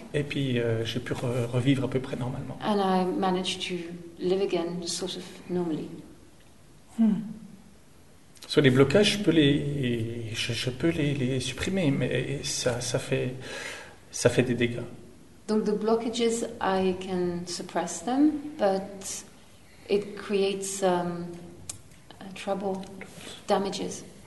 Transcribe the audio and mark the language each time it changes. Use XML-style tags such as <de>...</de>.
<fr>Et puis j'ai pu revivre à peu près normalement.</fr> <en>And I managed to live again, sort of normally.</en> <fr>So, les blocages, je peux les supprimer, mais ça fait des dégâts.</fr> <en>Donc, the blockages, I can suppress them, but it creates trouble, damages.</en>